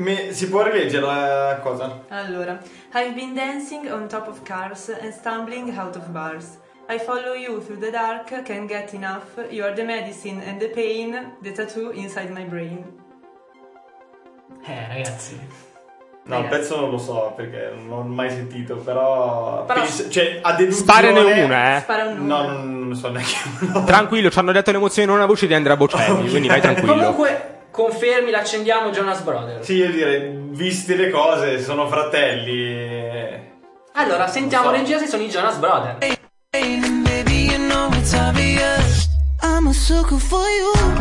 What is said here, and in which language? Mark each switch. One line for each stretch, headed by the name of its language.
Italian: Si può rileggere la cosa? Allora.
English: I've been dancing on top of cars and stumbling out of bars. I follow you through the dark, can't get enough, you are the medicine and the pain, the tattoo inside my brain.
Italian: Ragazzi. No, ragazzi. Il pezzo non lo so perché non l'ho mai sentito, però cioè, a deduzione... Sparane una, eh. Spara un no, non so neanche uno. Tranquillo, ci hanno detto le emozioni non a voce di Andrea Bocelli, okay. Quindi vai tranquillo. Comunque, confermi, l'accendiamo Jonas Brothers. Sì, io direi, visti le cose, sono fratelli. Allora, sentiamo regia se sono i Jonas Brothers.
English: Baby, you know it's obvious. I'm a sucker for you.